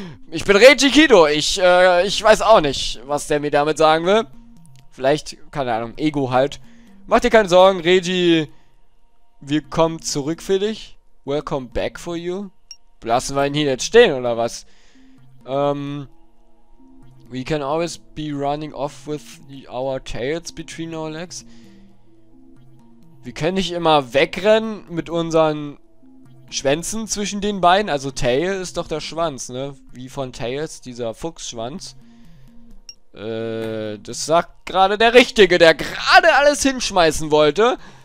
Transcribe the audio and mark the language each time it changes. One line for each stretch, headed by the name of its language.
German: Ich bin Regi Kido. Ich weiß auch nicht, was der mir damit sagen will. Vielleicht, keine Ahnung, Ego halt. Mach dir keine Sorgen, Regi. Wir kommen zurück für dich.
English: Welcome back for you.
German: Lassen wir ihn hier jetzt stehen, oder was?
English: We can always be running off with our tails between our legs.
German: Wir können nicht immer wegrennen mit unseren Schwänzen zwischen den Beinen. Also Tail ist doch der Schwanz, ne? Wie von Tails, dieser Fuchsschwanz. Das sagt gerade der Richtige, der gerade alles hinschmeißen wollte.